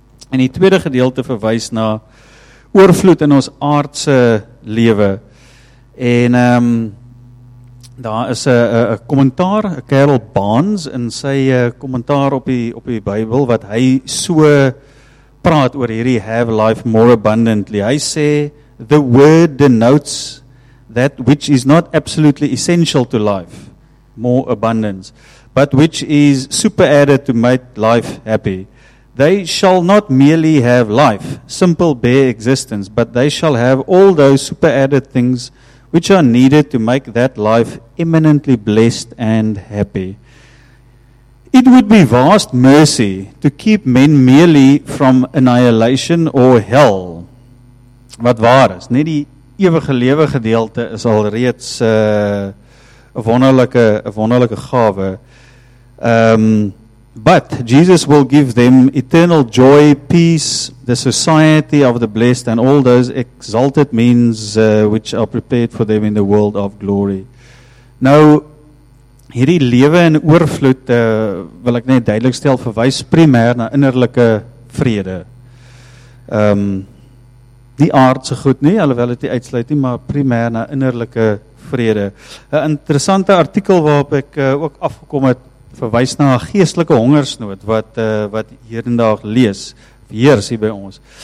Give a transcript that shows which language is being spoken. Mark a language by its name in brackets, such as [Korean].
[Afrikaans] En die tweede gedeelte verwys na oorvloed in ons aardse lewe. En daar is 'n kommentaar, Carol Barnes, in sy kommentaar op die Bybel, wat hy so praat oor hierdie [English] have life more abundantly. Hy sê, "The word denotes that which is not absolutely essential to life, more abundance, but which is super added to make life happy. They shall not merely have life, simple bare existence, but they shall have all those super added things which are needed to make that life eminently blessed and happy. It would be vast mercy to keep men merely from annihilation or hell." [Afrikaans] Wat waar is, net die ewige lewe gedeelte is al reeds 'n wonderlike gawe. [English] "But Jesus will give them eternal joy, peace, the society of the blessed, and all those exalted means which are prepared for them in the world of glory." [Afrikaans] Nou, hierdie lewe in oorvloed, wil ek net duidelik stel, verwys primêr na innerlike vrede. Die aardse goed nie, alhoewel dit nie uitsluit nie, maar primêr na innerlike vrede. 'n Interessante artikel waarop ek ook afgekom het, verwys na 'n geestelike hongersnood wat hedendaag heers hier by ons.